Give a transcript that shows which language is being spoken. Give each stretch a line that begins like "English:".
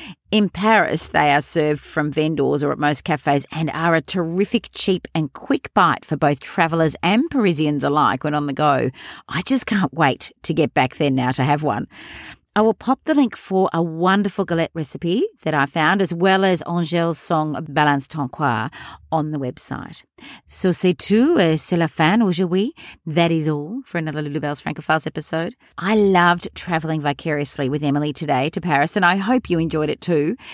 English: In Paris, they are served from vendors or at most cafes and are a terrific, cheap and quick bite for both travellers and Parisians alike when on the go. I just can't wait to get back there now to have one. I will pop the link for a wonderful galette recipe that I found, as well as Angèle's song Balance Ton Corps, on the website.
French: So c'est tout, c'est la fin aujourd'hui.
English: That is all for another Lulabelle's Francophiles episode. I loved travelling vicariously with Emily today to Paris, and I hope you enjoyed it too.